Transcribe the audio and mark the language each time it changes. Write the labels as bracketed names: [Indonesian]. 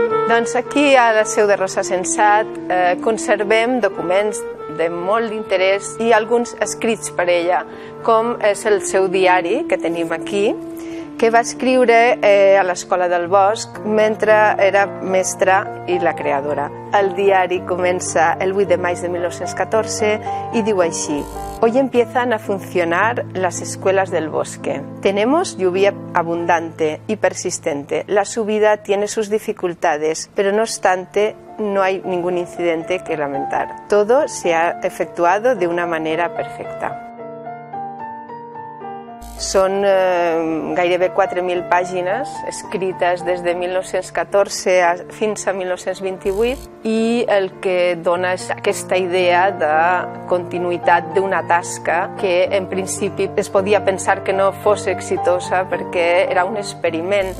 [Catalan] Doncs aquí, a la seu de Rosa Sensat, conservem documents de molt d'interès i alguns escrits per ella, com és el seu diari que tenim aquí, que va escriure a l'Escola del Bosc mentre era mestra i la creadora. El diari comença el 8 de maig de 1914 i diu així: [Spanish] «Hoy empiezan a funcionar las escuelas del bosque. Tenemos lluvia abundante y persistente. La subida tiene sus dificultades, pero no obstante, no hay ningún incidente que lamentar. Todo se ha efectuado de una manera perfecta». [Catalan] Són gairebé 4.000 pàgines escrites des de 1914 fins a 1928, i el que dona és aquesta idea de continuïtat d'una tasca que en principi es podia pensar que no fos exitosa perquè era un experiment.